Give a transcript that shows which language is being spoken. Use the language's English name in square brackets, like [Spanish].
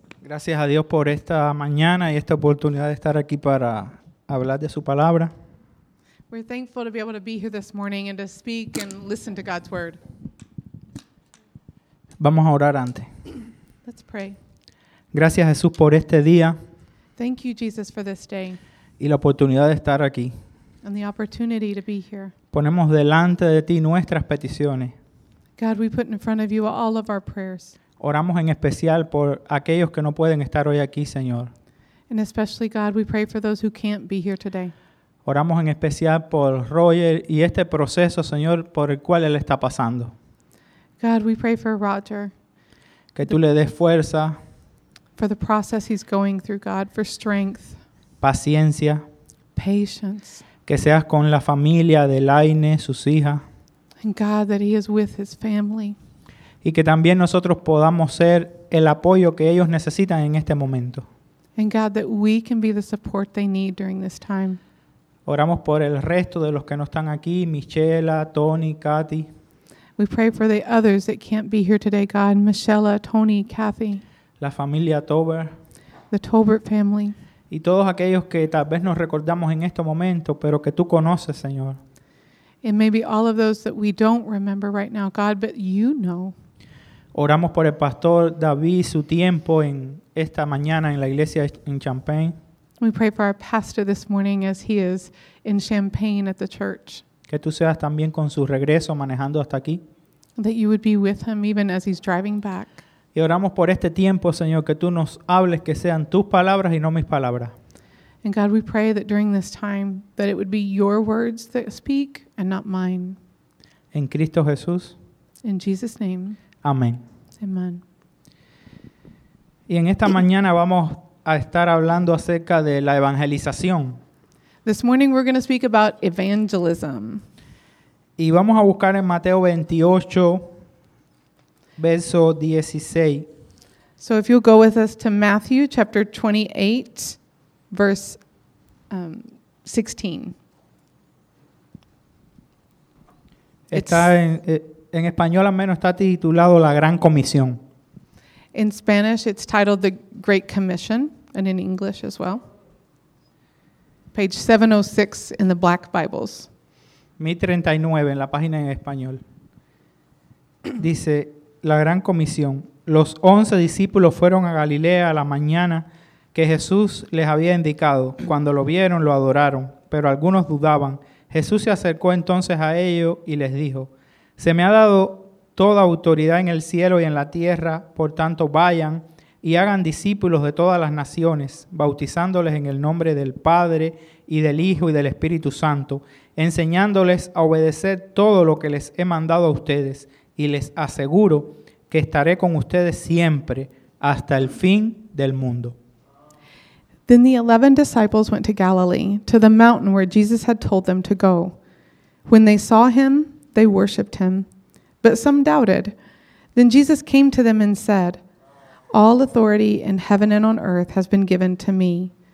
[Spanish] Gracias a Dios por esta mañana y esta oportunidad de estar aquí para hablar de su palabra. [English] We're thankful to be able to be here this morning and to speak and listen to God's word. [Spanish] Vamos a orar antes. [English] Let's pray. [Spanish] Gracias, Jesús, por este día. [English] Thank you, Jesus, for this day. [Spanish] Y la oportunidad de estar aquí. [English] And the opportunity to be here. [Spanish] Ponemos delante de ti nuestras peticiones. [English] God, we put in front of you all of our prayers. [Spanish] Oramos en especial por aquellos que no pueden estar hoy aquí, Señor. [English] And especially, God, we pray for those who can't be here today. [Spanish] Oramos en especial por Roger y este proceso, Señor, por el cual él está pasando. [English] God, we pray for Roger. [Spanish] Que tú le des fuerza. [English] For the process he's going through, God, for strength. [Spanish] Paciencia. [English] Patience. [Spanish] Que seas con la familia de Laine, sus hijas. [English] And God, that he is with his family. [Spanish] Y que también nosotros podamos ser el apoyo que ellos necesitan en este momento. [English] And God, that we can be the support they need during this time. [Spanish] Oramos por el resto de los que no están aquí, Michela, Tony, Kathy. [English] We pray for the others that can't be here today, God, Michela, Tony, Kathy. [Spanish] La familia Tober. [English] The Tobert family. [Spanish] Y todos aquellos que tal vez nos recordamos en este momento, pero que tú conoces, Señor. [English] And maybe all of those that we don't remember right now, God, but you know. [Spanish] Oramos por el pastor David, su tiempo en esta mañana en la iglesia en Champaign. [English] We pray for our pastor this morning as he is in Champaign at the church. [Spanish] Que tú seas también con su regreso manejando hasta aquí. [English] That you would be with him even as he's driving back. [Spanish] Y oramos por este tiempo, Señor, que tú nos hables, que sean tus palabras y no mis palabras. [English] And God, we pray that during this time that it would be your words that speak and not mine. [Spanish] En Cristo Jesús. [English] In Jesus' name. [Spanish] Amén. [English] Amen. [Spanish] Y en esta mañana vamos a estar hablando acerca de la evangelización. [English] This morning we're going to speak about evangelism. [Spanish] Y vamos a buscar en Mateo 28, verso 16. [English] So if you'll go with us to Matthew chapter 28, verse 16. [Spanish] Está en español al menos está titulado La Gran Comisión. [English] In Spanish it's titled The Great Commission. And in English as well. Page 706 in the Black Bibles. [Spanish] 1039 en la página en español. Dice, la gran comisión. Los 11 discípulos fueron a Galilea a la mañana que Jesús les había indicado. Cuando lo vieron, lo adoraron, pero algunos dudaban. Jesús se acercó entonces a ellos y les dijo, se me ha dado toda autoridad en el cielo y en la tierra, por tanto vayan y hagan discípulos de todas las naciones, bautizándoles en el nombre del Padre y del Hijo y del Espíritu Santo, enseñándoles a obedecer todo lo que les he mandado a ustedes, y les aseguro que estaré con ustedes siempre hasta el fin del mundo. [English] Then the 11 disciples went to Galilee, to the mountain where Jesus had told them to go. When they saw him, they worshipped him, but some doubted. Then Jesus came to them and said, all authority in heaven and on earth has been given to me.